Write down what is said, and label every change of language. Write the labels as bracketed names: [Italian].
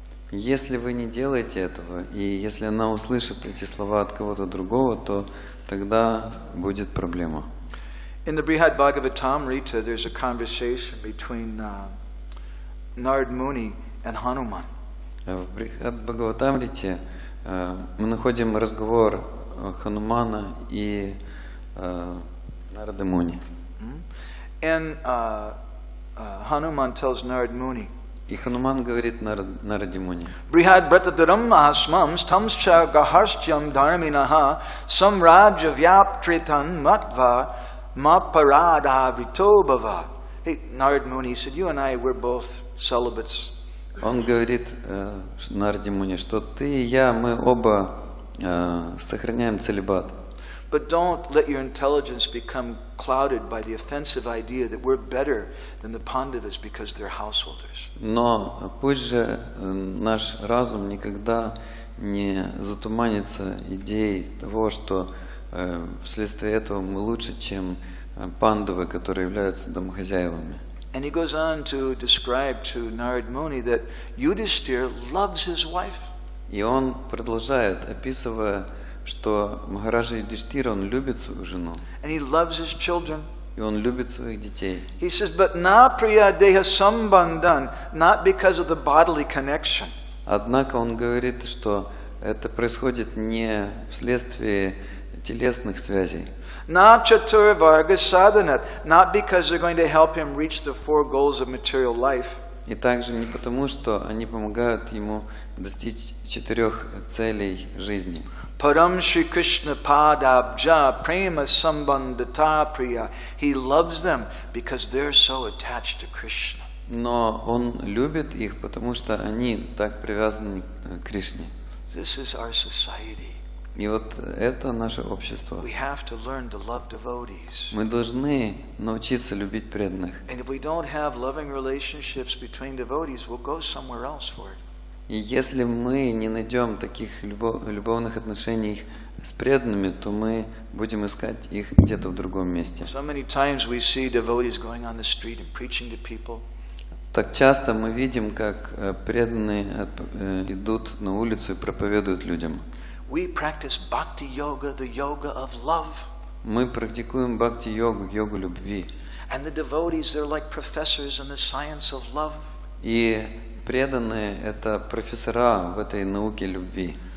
[Russian] Если вы не делаете этого, и если она услышит эти слова от кого-то другого, то тогда будет проблема. [English] In the Brihad Bhagavatamrita, there's a conversation between Narad Muni and Hanuman. [Russian] В Брихад Бхагаватамрите мы находим разговор Ханумана и Нарада Муни. [English] And Hanuman tells Narad Muni. [Russian] И Хануман говорит Нараде Муни. [Sanskrit] Брихад Бхатадарам Махасмамс Тамсча Гахарстям Дхарминаха Самраджа Вяптритан Матва Мапарада Витобава. [English] Hey, Narad Muni, he said, you and I, we're both celibates. [Russian] Он говорит Нараде Муни, что ты и я, мы оба сохраняем целибат. [English] But don't let your intelligence become clouded by the offensive idea that we're better than the Pandavas because they're householders. [Russian] Но пусть же наш разум никогда не затуманится идеей того, что вследствие этого мы лучше, чем Пандавы, которые являются домохозяевами. [English] And he goes on to describe to Narad Muni that Yudhisthira loves his wife. [Russian] И он продолжает, описывая, что Махараджа Юдхиштхира, он любит свою жену. [English] And he loves his children. [Russian] И он любит своих детей. [English] He says, but [Sanskrit] na priya deha sambandhan, [English] not because of the bodily connection. [Russian] Однако он говорит, что это происходит не вследствие телесных связей. [Sanskrit] Na chatur varga sadhanat, [English] not because they're going to help him reach the four goals of material life. [Russian] И также не потому, что они помогают ему достичь четырех целей жизни. [Sanskrit] Param Shri Krishna Padabja Prema Sambandhata Priya. [English] He loves them because they're so attached to Krishna. [Russian] Но он любит их, потому что они так привязаны к Кришне. [English] This is our society. [Russian] И вот это наше общество. [English] We have to learn to love devotees. [Russian] Мы должны научиться любить преданных. [English] And if we don't have loving relationships between devotees, we'll go somewhere else for it. [Russian] И если мы не найдем таких любовных отношений с преданными, то мы будем искать их где-то в другом месте. [English] So many times we see devotees going on the street and preaching to people. [Russian] Так часто мы видим, как преданные идут на улицу и проповедуют людям. [English] We practice bhakti yoga, the yoga of love. [Russian] Мы практикуем бхакти йогу, йогу любви. [English] And the devotees, they're like professors in the science of love. [Russian] И преданные – это профессора в этой науке любви.